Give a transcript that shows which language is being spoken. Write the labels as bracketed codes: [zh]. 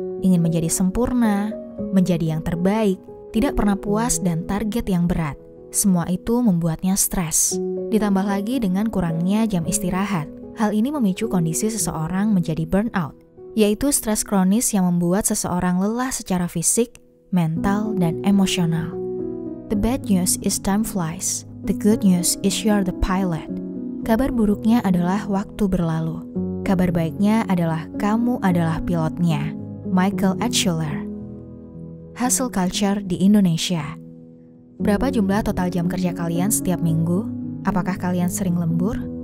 [id] Ingin menjadi sempurna, menjadi yang terbaik, tidak pernah puas dan target yang berat. Semua itu membuatnya stres. Ditambah lagi dengan kurangnya jam istirahat. Hal ini memicu kondisi seseorang menjadi burnout, yaitu stres kronis yang membuat seseorang lelah secara fisik, mental, dan emosional. [en] The bad news is time flies. The good news is you're the pilot. [id] Kabar buruknya adalah waktu berlalu. Kabar baiknya adalah kamu adalah pilotnya. Michael Atchuler. Hustle culture di Indonesia. Berapa jumlah total jam kerja kalian setiap minggu? Apakah kalian sering lembur?